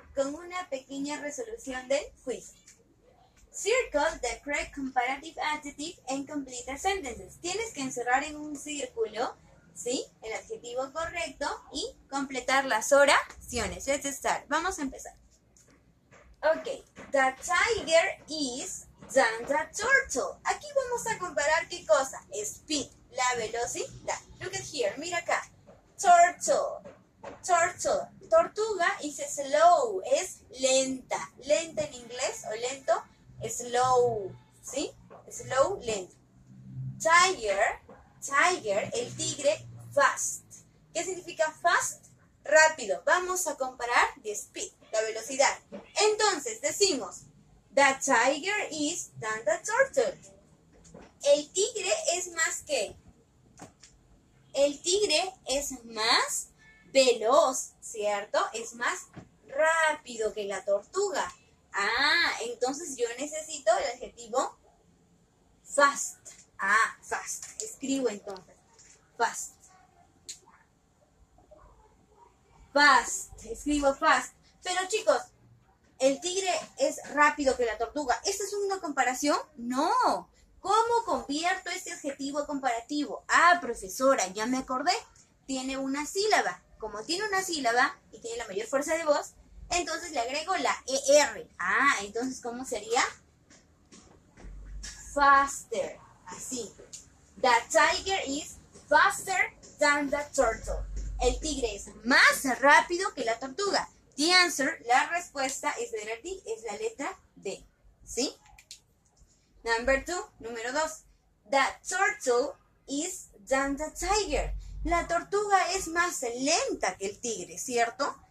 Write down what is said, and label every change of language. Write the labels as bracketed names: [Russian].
[Spanish] Con una pequeña resolución del quiz. [English] Circle the correct comparative adjective and complete the sentences. [Spanish] Tienes que encerrar en un círculo, ¿sí? El adjetivo correcto y completar las oraciones. [English] Let's start. [Spanish] Vamos a empezar. Ok. [English] The tiger is than the turtle. [Spanish] Aquí vamos a comparar ¿qué cosa? [English] Speed, [Spanish] la velocidad. [English] Look at here, [Spanish] mira acá. [English] Turtle, turtle. Tortuga is slow, [Spanish] es lenta. Lenta en inglés o lento, slow, ¿sí? [English] Slow, lento. Tiger, tiger, [Spanish] el tigre, [English] fast. [Spanish] ¿Qué significa fast? Rápido. Vamos a comparar [English] the speed, [Spanish] la velocidad. Entonces, decimos, [English] the tiger is than the turtle. [Spanish] El tigre es más que... El tigre es más veloz, ¿cierto? Es más rápido que la tortuga. Ah, entonces yo necesito el adjetivo fast. Ah, fast. Escribo entonces. Fast. Fast. Escribo fast. Pero chicos, ¿el tigre es rápido que la tortuga? ¿Esta es una comparación? No. ¿Cómo convierto este adjetivo comparativo? Ah, profesora, ya me acordé. Tiene una sílaba. Como tiene una sílaba y tiene la mayor fuerza de voz, entonces le agrego la ER. Ah, entonces, ¿cómo sería? [English] Faster. [Spanish] Así. [English] The tiger is faster than the turtle. [Spanish] El tigre es más rápido que la tortuga. [English] The answer, [Spanish] la respuesta es de ti, es la letra D. ¿Sí? [English] Number two, [Spanish] número dos. [English] The turtle is than the tiger. [Spanish] La tortuga es más lenta que el tigre, ¿cierto?